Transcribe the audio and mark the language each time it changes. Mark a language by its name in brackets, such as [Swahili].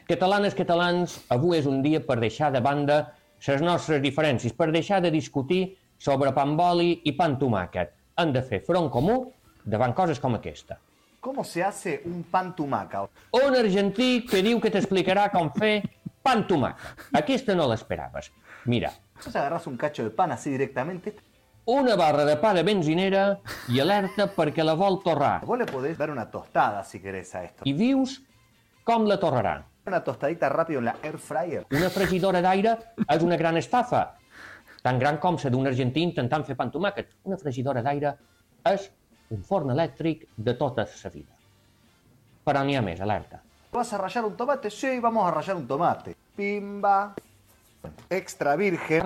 [Catalan] Catalanes, catalans, avui és un dia per deixar de banda les nostres diferències, per deixar de discutir sobre pamboli i pantomàquet. hem de fer front comú davant coses com aquesta. [Spanish] Com se hace un pan tumaca? [Catalan] Un argentí que diu que t'explicarà com fer pan tumaca. Aquesta no l'esperaves. Mira. [Spanish] Si agarras un cacho de pan así directamente... [Catalan] Una barra de pa de benzinera i alerta perquè la vol torrar. [Spanish] Vos le podés dar una tostada si querés a esto. [Catalan] I dius com la torrarà. [Spanish] Una tostadita ràpido en la air fryer. [Catalan] Una fregidora d'aire és una gran estafa. Tan gran com la d'un argentí intentant fer pan tomàquet. Una fregidora d'aire és un forn elèctric de tota sa vida. Però n'hi ha més, alerta. [Spanish] ¿Vas a rallar un tomate? Sí, vamos a rallar un tomate. Pimba. Extra virgen.